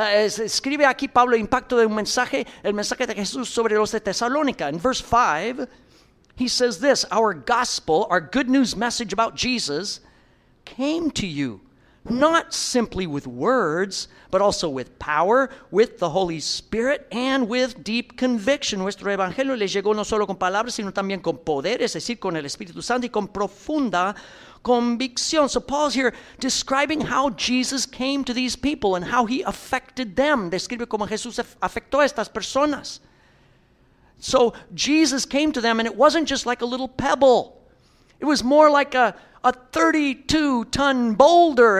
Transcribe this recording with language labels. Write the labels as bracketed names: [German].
[Spanish] Escribe aquí Pablo el impacto del mensaje, el mensaje de Jesús sobre los de Tesalónica. [English] In verse 5, he says this: our gospel, our good news message about Jesus, came to you, not simply with words, but also with power, with the Holy Spirit, and with deep conviction. [Spanish] Nuestro evangelio les llegó no solo con palabras, sino también con poder, es decir, con el Espíritu Santo y con profunda convicción. [English] So Paul's here describing how Jesus came to these people and how he affected them. [Spanish] Describe cómo Jesús afectó a estas personas. [English] So Jesus came to them, and it wasn't just like a little pebble. It was more like a 32-ton boulder.